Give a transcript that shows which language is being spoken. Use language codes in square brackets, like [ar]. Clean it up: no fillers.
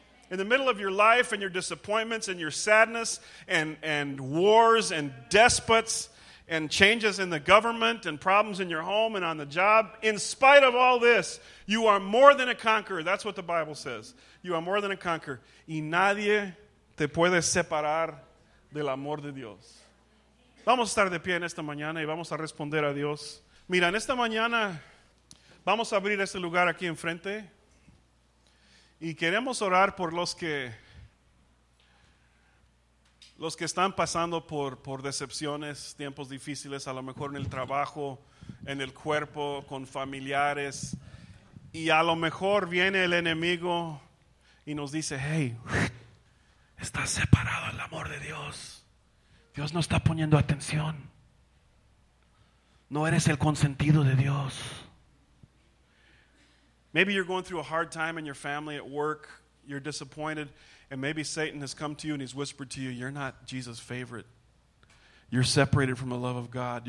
[en] In the middle of your life and your disappointments and your sadness and wars and despots and changes in the government and problems in your home and on the job, in spite of all this, you are more than a conqueror. That's what the Bible says. You are more than a conqueror. [es] Y nadie te puede separar del amor de Dios. Vamos a estar de pie en esta mañana y vamos a responder a Dios. Mira, en esta mañana vamos a abrir este lugar aquí enfrente. Y queremos orar por los que están pasando por decepciones, tiempos difíciles, a lo mejor en el trabajo, en el cuerpo, con familiares. Y a lo mejor viene el enemigo y nos dice, hey, estás separado del amor de Dios. Dios no está poniendo atención. No eres el consentido de Dios. [en] Maybe you're going through a hard time in your family, at work. You're disappointed. And maybe Satan has come to you and he's whispered to you, you're not Jesus' favorite. You're separated from the love of God.